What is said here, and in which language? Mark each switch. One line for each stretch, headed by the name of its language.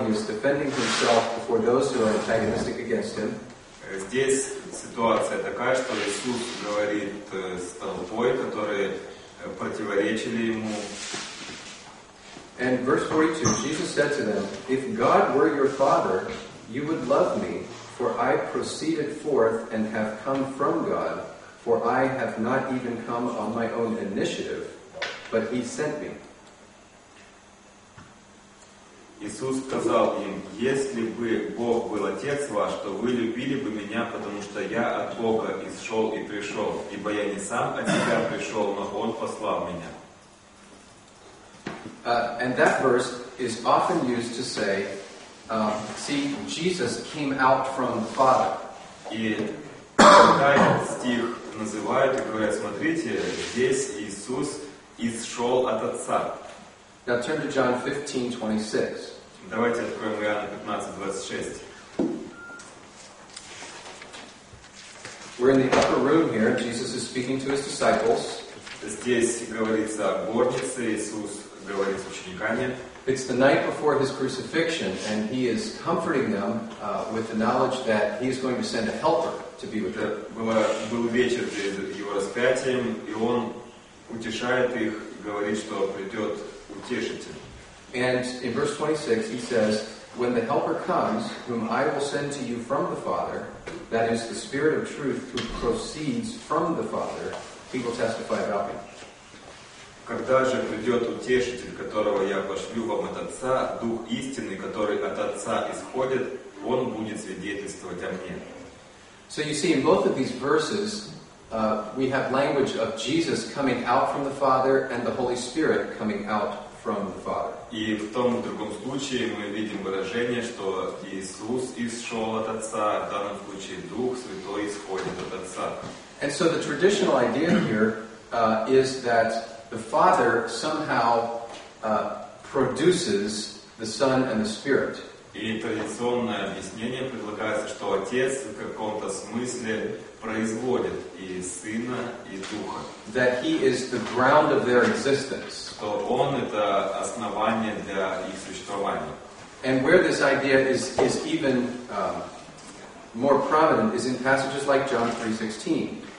English: He is defending himself before those who are antagonistic against him.
Russian: Здесь ситуация такая, что Иисус говорит с толпой, которые противоречили ему.
English: And verse 42, Jesus said to them, "If God were your Father, you would love me, for I proceeded forth and have come from God, for I have not even come on my own initiative, but He sent me."
Russian: Иисус сказал им, если бы Бог был Отец ваш, то вы любили бы меня, потому что я от Бога исшел и пришел, ибо я не сам от себя пришел, но Он послал меня.
English: And that verse is often used to say, see, Jesus came out from the Father.
Russian: И такой стих называют и говорят, смотрите, здесь Иисус исшел от Отца.
English: Now turn to John 15:26.
Russian: Давайте откроем Иоанна 15:26.
English: We're in the upper room here. Jesus is speaking to his disciples.
Russian: Здесь говорится о горнице. Иисус говорит с учениками.
English: It's the night before his crucifixion, and he is comforting them with the knowledge that he is going to send a helper to be with them.
Russian: Был вечер перед его распятием, и он утешает их, говорит, что придет утешитель.
English: And in verse 26, he says, "When the Helper comes, whom I will send to you from the Father, that is the Spirit of Truth, who proceeds from the Father, he will testify about me."
Russian: Когда же придет утешитель, которого я пошлю вам от Отца, Дух истинный, который от Отца исходит, он будет свидетельствовать о мне.
English: So you see, in both of these verses, we have language of Jesus coming out from the Father and the Holy Spirit coming out from the Father.
Russian: И в том и другом случае мы видим выражение, что Иисус исшел от Отца, в данном случае Дух Святой исходит от Отца.
English: And so the traditional idea here is that the Father somehow produces the Son and the Spirit.
Russian: И традиционное объяснение предлагается, что Отец в каком-то смысле производит и Сына, и Духа.
English: That He is the ground of their existence.
Russian: Что Он — это основание для их существования.
English: And where this idea is even more prominent is in passages like John 3:16.